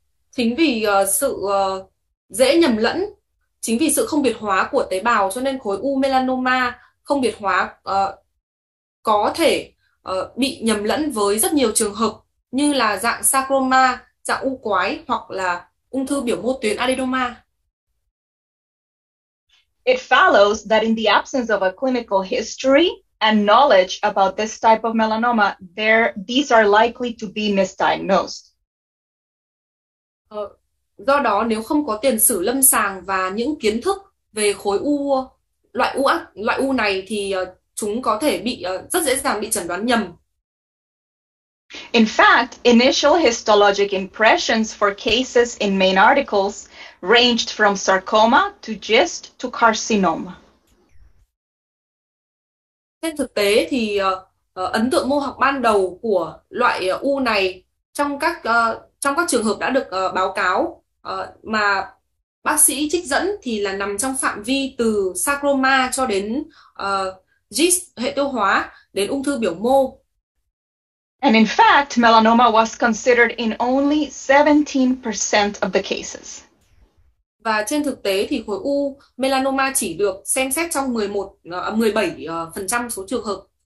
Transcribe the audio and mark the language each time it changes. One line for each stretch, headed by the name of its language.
Vietnamese: Chính vì sự dễ nhầm lẫn, chính vì sự không biệt hóa của tế bào cho nên khối u melanoma không biệt hóa có thể bị nhầm lẫn với rất nhiều trường hợp như là dạng sarcoma, dạng u quái hoặc là ung thư biểu mô tuyến adenoma.
English: It follows that in the absence of a clinical history and knowledge about this type of melanoma, these are likely to be misdiagnosed.
Vietnamese: Do đó nếu không có tiền sử lâm sàng và những kiến thức về khối u loại u này thì chúng có thể bị rất dễ dàng bị chẩn đoán nhầm.
English: In fact, initial histologic impressions for cases in main articles ranged from sarcoma to GIST to carcinoma.
Vietnamese: Trên thực tế thì ấn tượng mô học ban đầu của loại u này trong các trường hợp đã được báo cáo mà bác sĩ trích dẫn thì là nằm trong phạm vi từ sarcoma cho đến GIST hệ tiêu hóa đến ung thư biểu mô.
English: And in fact, melanoma was considered in only 17% of the cases.
Vietnamese: Và trên thực tế thì khối u melanoma chỉ được xem xét trong 17% số trường hợp.